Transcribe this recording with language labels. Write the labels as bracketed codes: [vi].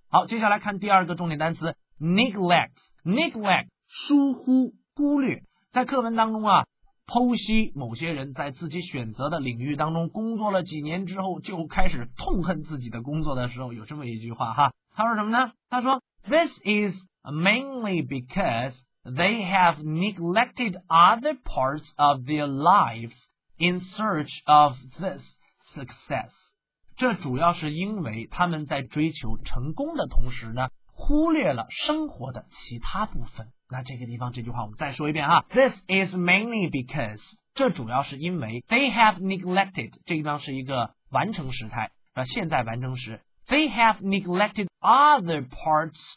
[zh] 好，接下来看第二个重点单词 ，neglect 疏忽、忽略，在课文当中啊。剖析某些人在自己选择的领域当中工作了几年之后就开始痛恨自己的工作的时候，有这么一句话哈，他说什么呢？他说 [en] This is mainly because they have neglected other parts of their lives in search of this success. [zh] 这主要是因为他们在追求成功的同时呢，忽略了生活的其他部分。那这个地方这句话我们再说一遍啊 [en] This is mainly because [zh] 这主要是因为 [en] They have neglected [zh] 这个地方是一个完成时态现在完成时 [en] They have neglected other parts